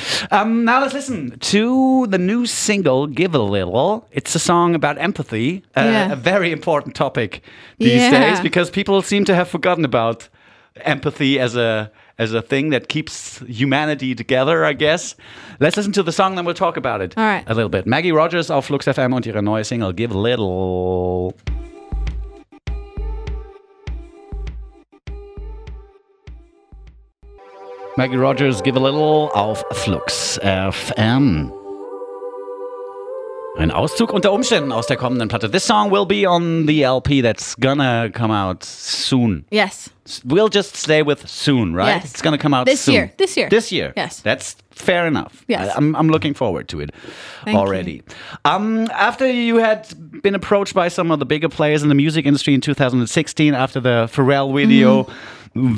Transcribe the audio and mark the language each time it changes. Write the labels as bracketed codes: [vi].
[en] Now let's listen to the new single, Give a Little. It's a song about empathy, a very important topic these days, because people seem to have forgotten about empathy as a thing that keeps humanity together, I guess. Let's listen to the song, then we'll talk about it a little bit. [de] Maggie Rogers auf Flux FM und ihre neue Single, Give a Little. Maggie Rogers, Give a Little auf Flux FM. Ein Auszug unter Umständen aus der kommenden Platte. [en] This song will be on the LP that's gonna come out soon. Yes. We'll just stay with soon, right? Yes. It's gonna come out this year. This year. This year. Yes. That's fair enough. Yes. I'm looking forward to it already. Thank you. After you had been approached by some of the bigger players in the music industry in 2016 after the Pharrell video, mm-hmm.